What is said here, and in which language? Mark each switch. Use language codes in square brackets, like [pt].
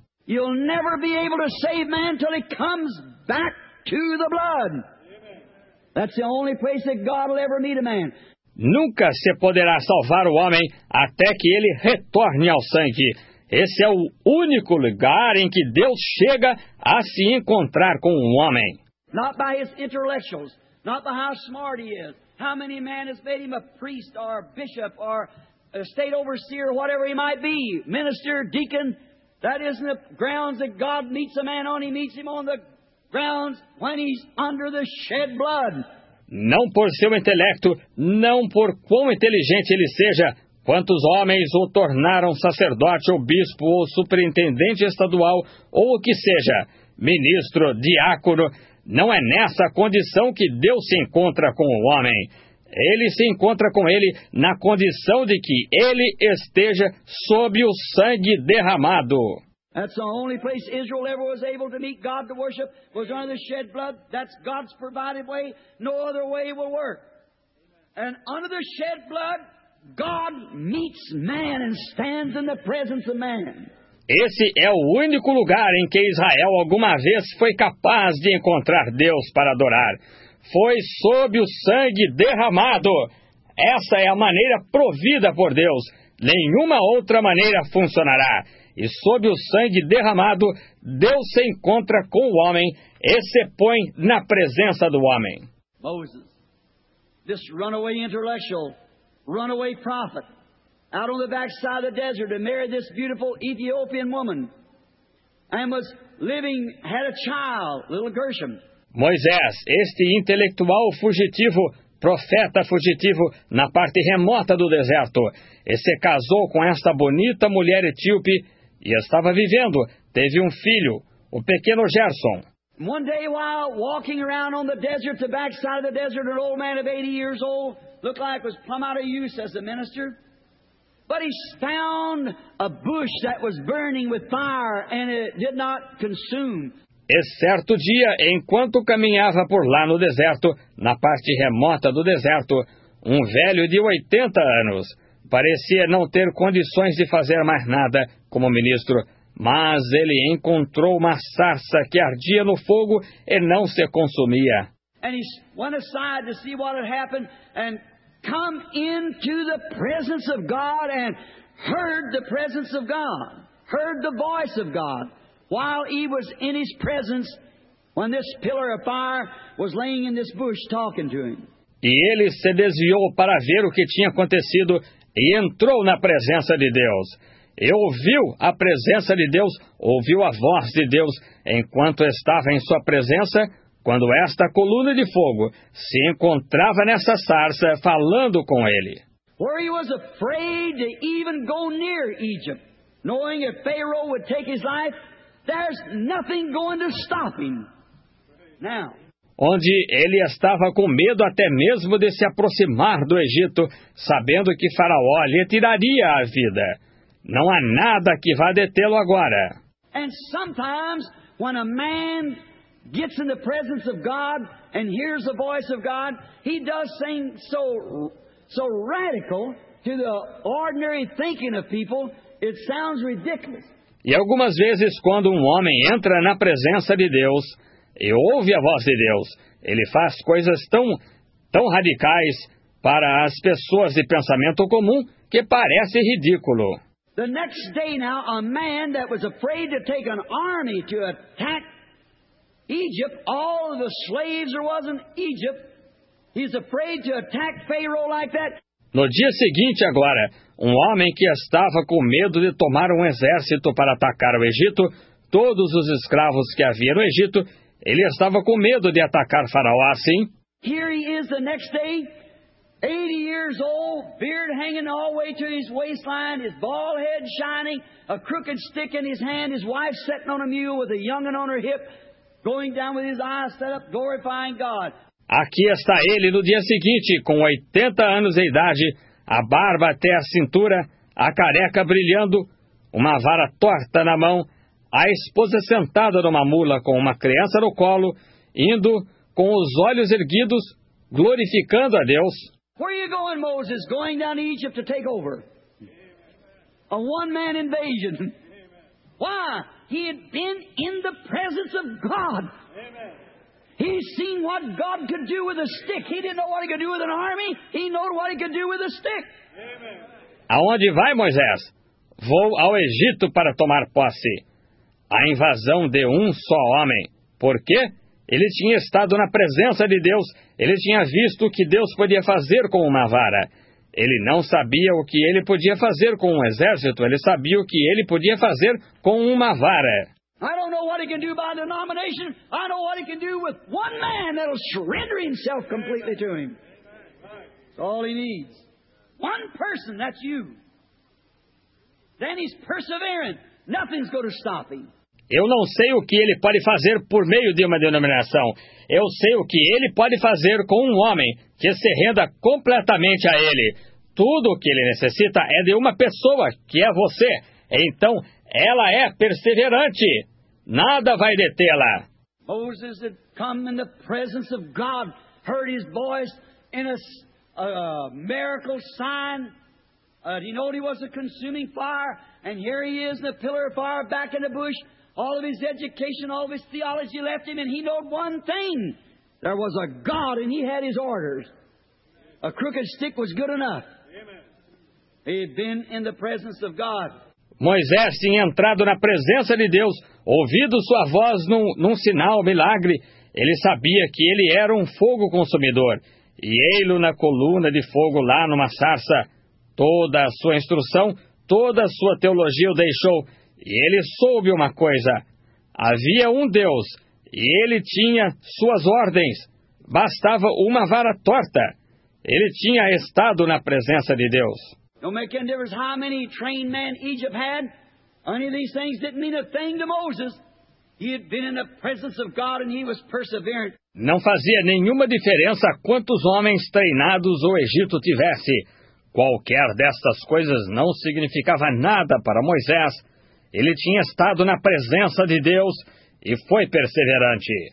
[en] You'll never be able to save man until he comes back to the blood. That's the only place that God will ever meet a man. [pt] Nunca se poderá salvar o homem até que ele retorne ao sangue. Esse é o único lugar em que Deus chega a se encontrar com um homem. [en] Not by his intellectuals, not by how smart he is, how many men has made him a priest or a bishop or a state overseer, whatever he might be, minister, deacon. That isn't the grounds that God meets a man on. He meets him on the grounds when he's under the shed blood. [pt] Não por seu intelecto, não por quão inteligente ele seja, quantos homens o tornaram sacerdote ou bispo ou superintendente estadual ou o que seja, ministro, diácono, não é nessa condição que Deus se encontra com o homem. Ele se encontra com ele na condição de que ele esteja sob o sangue derramado. [en] That's the only place Israel ever was able to meet God to worship was under the shed blood. That's God's provided way. No other way will work. And under the shed blood, God meets man and stands in the presence of man. [pt] Esse é o único lugar em que Israel alguma vez foi capaz de encontrar Deus para adorar. Foi sob o sangue derramado. Essa é a maneira provida por Deus. Nenhuma outra maneira funcionará. E sob o sangue derramado, Deus se encontra com o homem e se põe na presença do homem. [en] Moses, this runaway intellectual, runaway prophet, out on the backside of the desert and married this beautiful Ethiopian woman and was living, had a child, little Gershom. [pt] Moisés, este intelectual fugitivo, profeta fugitivo na parte remota do deserto, e se casou com esta bonita mulher etíope. E estava vivendo, teve um filho, o pequeno Gerson. [en] One day while walking around on the desert, the backside of the desert, an old man of 80 years old, looked like was plumb out of use as a minister. But he found a bush that was burning with fire and it did not consume. [pt] E certo dia, enquanto caminhava por lá no deserto, na parte remota do deserto, um velho de 80 anos parecia não ter condições de fazer mais nada como ministro, mas ele encontrou uma sarça que ardia no fogo e não se consumia. [en] And he went aside to see what had happened and come into the presence of God and heard the presence of God, heard the voice of God while he was in his presence when this pillar of fire was laying in this bush talking to him. [pt] E ele se desviou para ver o que tinha acontecido e entrou na presença de Deus. E ouviu a presença de Deus, ouviu a voz de Deus, enquanto estava em sua presença, quando esta coluna de fogo se encontrava nessa sarça, falando com ele. [en] Where he was afraid to even go near Egypt, knowing if Pharaoh would take his life, there's nothing going to stop him. Now. [pt] Onde ele estava com medo até mesmo de se aproximar do Egito, sabendo que Faraó lhe tiraria a vida. Não há nada que vá detê-lo agora. [en] And sometimes when a man gets in the presence of God and hears the voice of God, he does things so radical to the ordinary thinking of people, it sounds ridiculous. [pt] E algumas vezes quando um homem entra na presença de Deus e ouve a voz de Deus, ele faz coisas tão radicais para as pessoas de pensamento comum que parece ridículo. [en] The next day now, a man that was afraid to take an army to attack Egypt, all of the slaves there was in Egypt, he's afraid to attack Pharaoh like that. [pt] No dia seguinte, agora, um homem que estava com medo de tomar um exército para atacar o Egito, todos os escravos que havia no Egito, ele estava com medo de atacar Faraó assim. [en] Here he is the next day, 80 years old, beard hanging all the way to his waistline, his bald head shining, a crooked stick in his hand, his wife sitting on a mule with a young'un on her hip, going down with his eyes set up, glorifying God. [pt] Aqui está ele no dia seguinte, com 80 anos de idade, a barba até a cintura, a careca brilhando, uma vara torta na mão, a esposa sentada numa mula com uma criança no colo, indo com os olhos erguidos, glorificando a Deus. [en] Where are you going, Moses? Going down to Egypt to take over. A one-man invasion. Why? He had been in the presence of God. He's seen what God could do with a stick. He didn't know what he could do with an army. He knew what he could do with a stick. [pt] Aonde vai, Moisés? Vou ao Egito para tomar posse. A invasão de um só homem. Por quê? Ele tinha estado na presença de Deus. Ele tinha visto o que Deus podia fazer com uma vara. Ele não sabia o que ele podia fazer com um exército. Ele sabia o que ele podia fazer com uma vara. [en] I don't know what he can do by denomination. I know what he can do with one man that'll surrender himself completely to him. That's all he needs. One person, that's you. Then he's persevering. Nothing's going to stop him. [pt] Eu não sei o que ele pode fazer por meio de uma denominação. Eu sei o que ele pode fazer com um homem que se renda completamente a ele. Tudo o que ele necessita é de uma pessoa, que é você. Então, ela é perseverante. Nada vai detê-la. [en] Moses had come in the presence of God, heard his voice in a miracle sign. He knew he was a consuming fire, and here he is, the pillar of fire, back in the bush. All of his education, all of his theology left him, and he knew one thing. There was a God, and he had his orders. A crooked stick was good enough. He had been in the presence of God. [pt] Moisés tinha entrado na presença de Deus, ouvido sua voz num sinal milagre. Ele sabia que ele era um fogo consumidor. E ele na coluna de fogo lá numa sarça. Toda a sua instrução, toda a sua teologia o deixou. E ele soube uma coisa. Havia um Deus, e ele tinha suas ordens. Bastava uma vara torta. Ele tinha estado na presença de Deus. Não faz diferença [en] how many trained men Egypt had. Any of these things didn't mean a thing to Moses. He had been in the presence of God and he was perseverant. [pt] Não fazia nenhuma diferença quantos homens treinados o Egito tivesse. Qualquer destas coisas não significava nada para Moisés. Ele tinha estado na presença de Deus e foi perseverante.